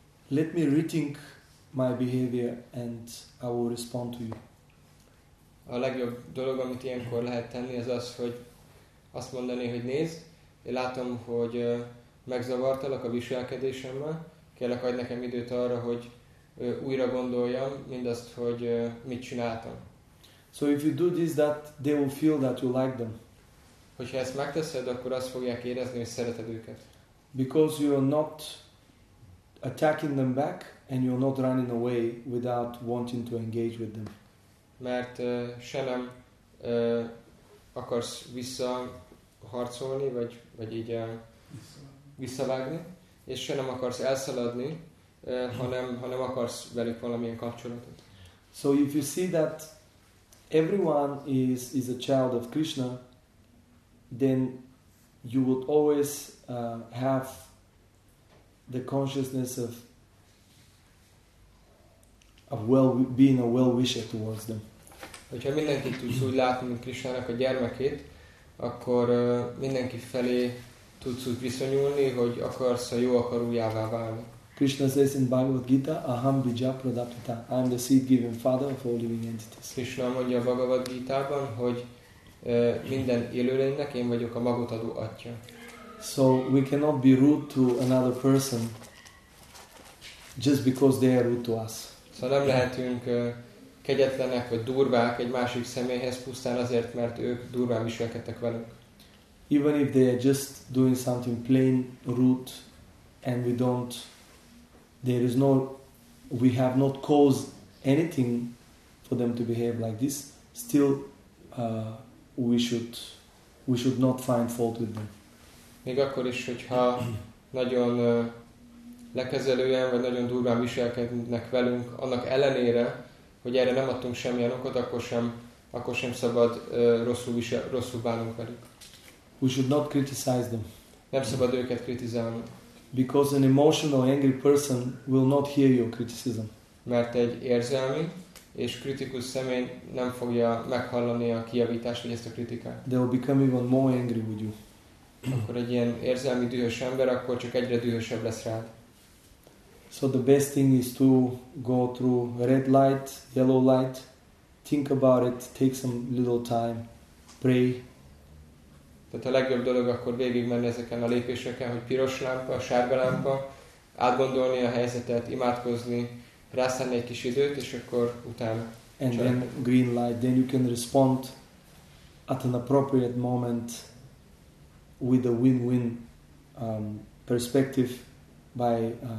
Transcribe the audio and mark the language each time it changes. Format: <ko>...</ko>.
<en>Let me rethink my behavior and I will respond to you.</en> <hu>A legjobb dolog, amit ilyenkor lehet tenni, az az, hogy azt mondani, hogy nézd, én látom, hogy megzavartalak a viselkedésemmel, kérlek, adj nekem időt arra, hogy újra gondoljam mindazt, hogy mit csináltam.</hu> <en>So if you do this, that they will feel that you like them.</en> <hu>Hogyha ezt megteszed, akkor azt fogják érezni, hogy szereted őket.</hu> <en>Because you are not attacking them back, and you are not running away without wanting to engage with them.</en> <hu>Mert se nem akarsz visszaharcolni, vagy így visszavágni, és se nem akarsz elszaladni, hanem akarsz velük valamilyen kapcsolatot.</hu> <en>So if you see that everyone is a child of Krishna, then you would always have the consciousness of well being a well wisher towards them.</en> <hu>Hogyha mindenki tudsz úgy látni, mint Krisnának a gyermekét, akkor mindenki felé tudsz úgy viszonyulni, hogy akarsz a jó akarójává válni.</hu> <en>Krishna says in Bhagavad Gita,</en> <sa>Aham Bija Pradapita,</sa> <en>I am the seed given father of all living entities.</en> <hu>Krishna mondja a Bhagavad Gita-ban, hogy minden élőlénynek én vagyok a magot adó atya.</hu> <en>So we cannot be rude to another person just because they are rude to us.</en> <hu>So nem lehetünk kegyetlenek vagy durvák egy másik személyhez pusztán azért, mert ők durván viselkedtek velünk.</hu> <en>Even if they are just doing something plain rude and we don't, there is no, we have not caused anything for them to behave like this, still we should not find fault with them.</en> <hu>Még akkor is, hogyha nagyon lekezelően vagy nagyon durván viselkednek velünk, annak ellenére, hogy erre nem adtunk semmilyen okot, akkor sem szabad rosszul bánunk velük.</hu> <en>We should not criticize them.</en> <hu>Nem szabad őket kritizálni.</hu> <en>Because an emotional angry person will not hear your criticism.</en> <hu>Mert egy érzelmi és kritikus személy nem fogja meghallani a kijavítást vagy ezt a kritikát.</hu> <en>They will become even more angry with you.</en> <hu>Akkor egy ilyen érzelmi dühös ember, akkor csak egyre dühösebb lesz rád.</hu> <en>So the best thing is to go through red light, yellow light, think about it, take some little time, pray.</en> <hu>Tehát a legjobb dolog akkor végigmenni ezeken a lépéseken, hogy piros lámpa, sárga lámpa, átgondolni a helyzetet, imádkozni, rászállni egy kis időt, és akkor utána.</hu> <en>And then green light, then you can respond at an appropriate moment with a win-win perspective by</en>